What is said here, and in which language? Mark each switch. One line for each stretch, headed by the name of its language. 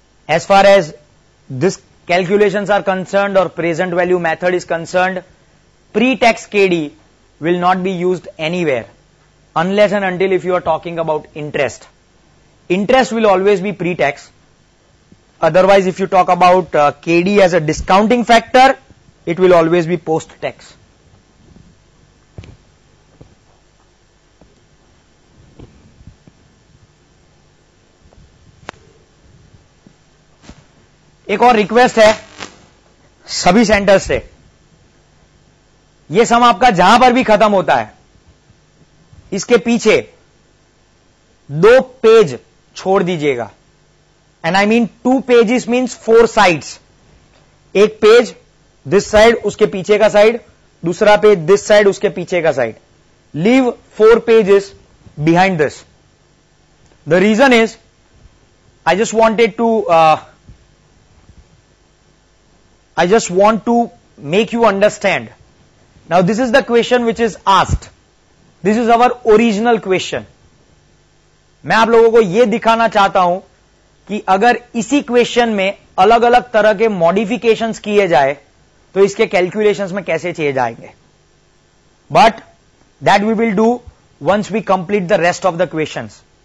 English: As far as this calculations are concerned और present value method is concerned, pre tax KD will not be used anywhere unless and until if you are talking about interest. Interest will always be pre tax. Otherwise, if you talk about KD as a discounting factor, it will always be post-tax.
Hindi: एक और request है सभी centres से, यह सम आपका जहां पर भी खत्म होता है इसके पीछे दो पेज छोड़ दीजिएगा.
English: And I mean two pages means four sides.
Hindi: एक पेज this side, उसके पीछे का side, दूसरा पेज this side, उसके पीछे का side.
English: Leave four pages behind this. The reason is, I just want to make you understand. Now this is the question which is asked. This is our original question.
Hindi: मैं आप लोगों को ये दिखाना चाहता हूं कि अगर इसी क्वेश्चन में अलग अलग तरह के मॉडिफिकेशंस किए जाए तो इसके कैलकुलेशंस में कैसे चले जाएंगे.
English: But that we will do once we complete the rest of the questions.